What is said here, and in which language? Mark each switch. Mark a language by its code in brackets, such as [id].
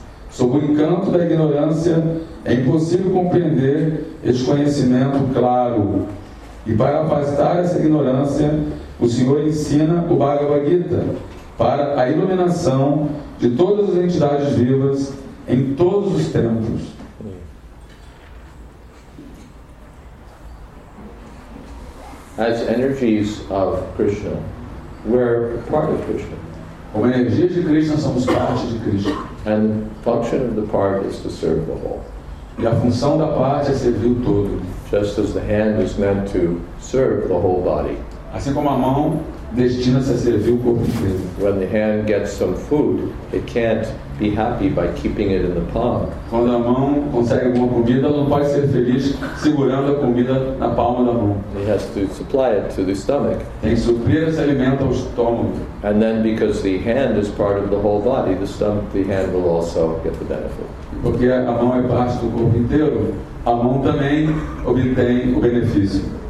[pt] Sob o encanto da ignorância, é impossível compreender esse conhecimento claro. E para afastar essa ignorância, o Senhor ensina o Bhagavad Gita para a iluminação de todas as entidades vivas em todos os tempos. [en] As energies of Krishna, we're part of Krishna. [pt] Como energias de Krishna, somos parte de Krishna. [en] And function of the part is to serve the whole. [pt] E a função da parte é servir o todo. [en] Just as the hand is meant to serve the whole body. [pt] Assim como a mão destina-se a servir o corpo inteiro. [en] When the hand gets some food, it can't be happy by keeping it in the palm. [pt] Quando a mão consegue alguma comida, ela não pode ser feliz segurando a comida na palma da mão. [en] It has to supply it to the stomach. [pt] Tem que suprir esse alimento ao estômago. [en] And then, because the hand is part of the whole body, the stomach, the hand will also get the benefit. [pt] Porque a mão é parte do corpo inteiro, a mão também obtém o benefício.